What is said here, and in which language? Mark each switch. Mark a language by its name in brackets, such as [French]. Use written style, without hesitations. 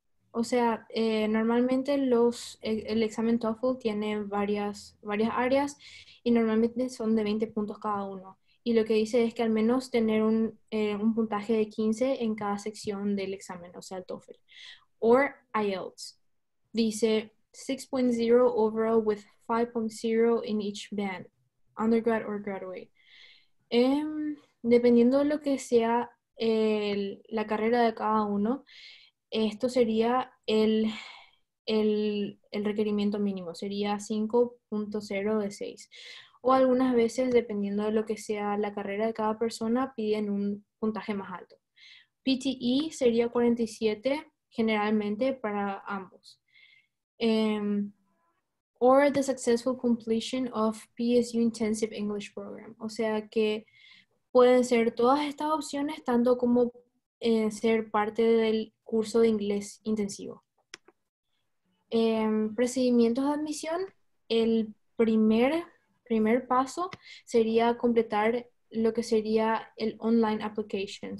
[Spanish] O sea, normalmente el examen TOEFL tiene varias áreas y normalmente son de 20 puntos cada uno. Y lo que dice es que al menos tener un puntaje de 15 en cada sección del examen, o sea, el TOEFL. [English] Or IELTS. [Spanish] Dice [English] 6.0 overall with 5.0 in each band, undergrad or graduate. [Spanish] Dependiendo de lo que sea la carrera de cada uno, esto sería el requerimiento mínimo. Sería 5.0 de 6. O algunas veces, dependiendo de lo que sea la carrera de cada persona, piden un puntaje más alto. PTE sería 47 generalmente para ambos. [English] Or the successful completion of PSU Intensive English Program. [Spanish] O sea que pueden ser todas estas opciones, tanto como ser parte del curso de inglés intensivo. Procedimientos de admisión. El primer paso sería completar lo que sería el online application.